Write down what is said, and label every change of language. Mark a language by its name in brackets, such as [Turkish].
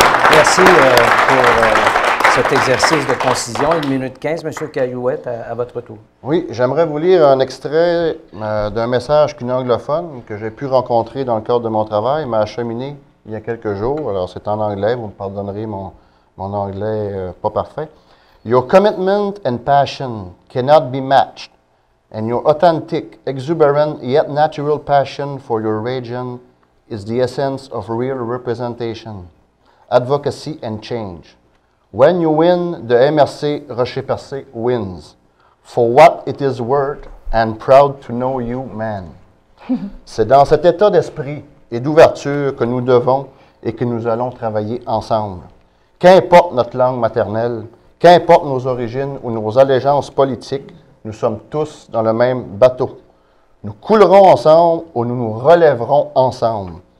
[French] Merci pour cet exercice de concision. 1 minute 15, M. Caillouette, à votre tour. Oui, j'aimerais vous lire un extrait d'un message qu'une anglophone que j'ai pu rencontrer dans le cadre de mon travail m'a acheminé il y a quelques jours. Alors, c'est en anglais, vous me pardonnerez mon anglais pas parfait. [English] « Your commitment and passion cannot be matched, and your authentic, exuberant, yet natural passion for your region is the essence of real representation. » Advocacy and change. When you win, the MRC Rocher-Percé wins. For what it is worth, and proud to know you, man. [French] C'est dans cet état d'esprit et d'ouverture que nous devons et que nous allons travailler ensemble. Qu'importe notre langue maternelle, qu'importe nos origines ou nos allégeances politiques, nous sommes tous dans le même bateau. Nous coulerons ensemble ou nous nous relèverons ensemble.